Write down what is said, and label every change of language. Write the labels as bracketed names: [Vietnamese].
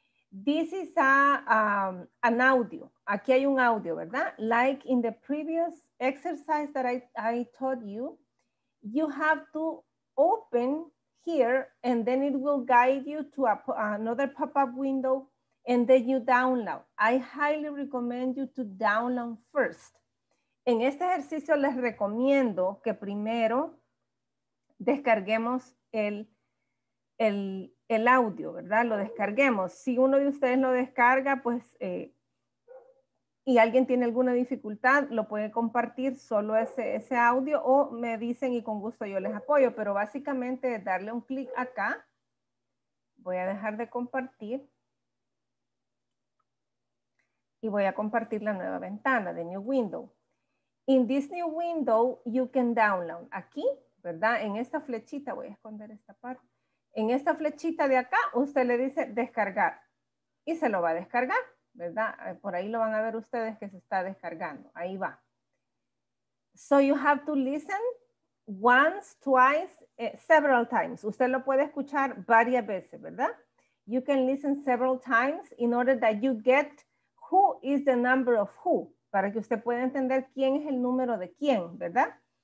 [English] This is an audio. [Spanish] Aquí hay un audio, ¿verdad? [English] Like in the previous exercise that I taught you, you have to open here and then it will guide you to another pop-up window. And then you download. I highly recommend you to download first. [Spanish] En este ejercicio les recomiendo que primero descarguemos el audio, ¿verdad? Lo descarguemos. Si uno de ustedes lo descarga, pues, y alguien tiene alguna dificultad, lo puede compartir solo ese audio, o me dicen y con gusto yo les apoyo. Pero básicamente es darle un clic acá. Voy a dejar de compartir. Y voy a compartir la nueva ventana, [English] the new window. In this new window, you can download. [Spanish] Aquí, ¿verdad? En esta flechita, voy a esconder esta parte. En esta flechita de acá, usted le dice descargar. Y se lo va a descargar, ¿verdad? Por ahí lo van a ver ustedes que se está descargando. Ahí va. [English] So you have to listen once, twice, several times. [Spanish] Usted lo puede escuchar varias veces, ¿verdad? [English] You can listen several times in order that you get who is the number of who, [Spanish] para que usted pueda entender quién es el número de quién, ¿verdad?